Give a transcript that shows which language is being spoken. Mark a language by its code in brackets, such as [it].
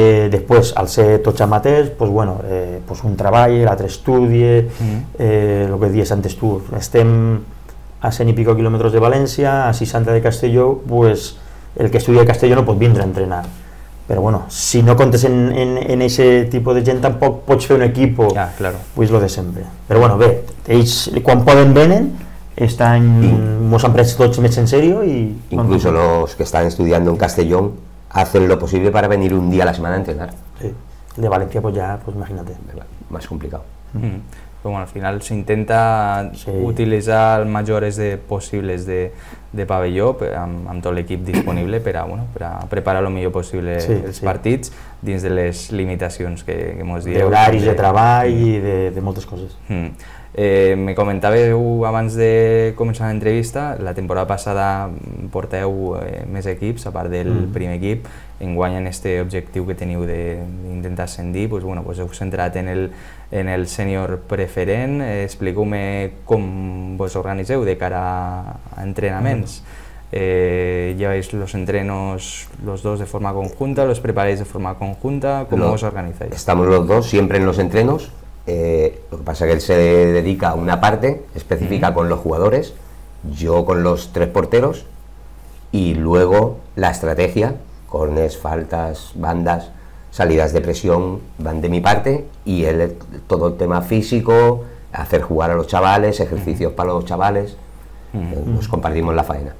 [ca] Després, al ser tots amateurs, pues, bueno, pues un treball, l'altre estudia, el que dius antes tu, estem a 100 i pico quilòmetres de València, a 60 de Castelló, pues, el que estudia a Castelló no pot vindre a entrenar. Però bueno, si no comptes en aquest tipus de gent, tampoc pots fer un equip, ja, claro. Pues lo de sempre. Però bueno, bé, ells quan poden venen, estan, mos han pres tots més en sèrio. [es] Incluso los que están estudiando en Castelló hacen lo posible para venir un día a la semana a entrenar. Sí, de València, pues ya, pues imagínate. Más complicado. [ca] Bueno, [es] al final se intenta, [ca] sí, utilizar el major de possibles de pavelló amb tot l'equip disponible per a, bueno, per a preparar el millor possible, sí, els, sí, partits dins de les limitacions que mos dieu. D'horaris, de treball i de moltes coses. Me comentàveu abans de començar l'entrevista, la temporada passada porteu més equips, a part del primer equip, enguany en este objectiu que teniu d'intentar ascendir, pues, bueno, pues heu centrat en el sènior preferent. Expliqueu-me com vos organitzeu de cara a entrenaments. Lleveu els entrenos els dos de forma conjunta, els prepareu de forma conjunta, com vos organitzeu? Estem els dos sempre en els entrenos. [es] Lo que pasa es que él se dedica a una parte específica con los jugadores, yo con los tres porteros, y luego la estrategia, cornes, faltas, bandas, salidas de presión, van de mi parte, y él todo el tema físico, hacer jugar a los chavales, ejercicios para los chavales, pues compartimos la faena.